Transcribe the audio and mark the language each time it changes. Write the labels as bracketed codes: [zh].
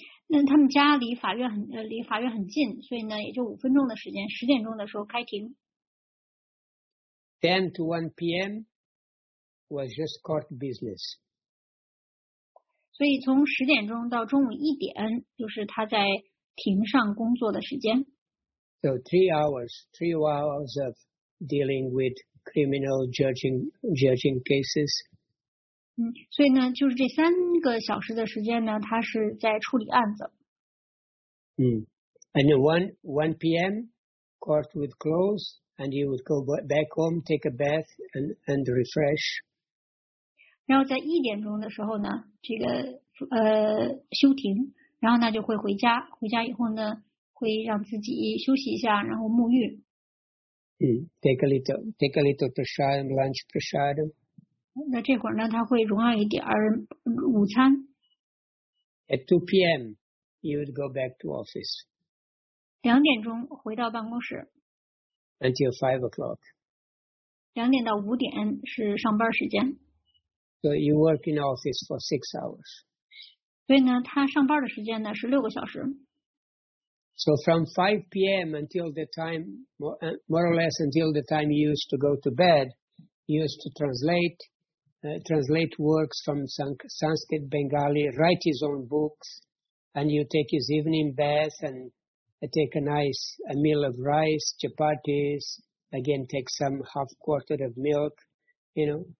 [zh] 那他们家离法院很近，所以呢也就五分钟的时间，十点钟的时候开庭。 [en] 10 to 1 p.m. was just court business. [zh] 所以从十点钟到中午一点就是他在庭上工作的时间。 [en] So three hours of dealing with criminal judging cases. [zh] 所以呢就是这三个小时的时间呢他是在处理案子。 [en] And one p.m. court would close, and he would go back home, take a bath and refresh. [zh] 然后在一点钟的时候呢这个休庭，然后呢就会回家，回家以后呢会让自己休息一下，然后沐浴。 [en] Take a little prasadam, lunch prasadam. [zh] 那这会儿呢，他会荣耀一点午餐。 [en] At 2 p.m., he would go back to office. [zh] 两点钟回到办公室。 [en] Until 5 o'clock. [zh] 两点到五点是上班时间。 [en] So you work in office for 6 hours. [zh] 所以呢，他上班的时间呢是6个小时。 [en] So from 5 p.m. until the time, more or less until the time he used to go to bed, he used to translate works from Sanskrit, Bengali, write his own books, and you take his evening bath and take a meal of rice, chapatis, again take some half quart of milk, you know.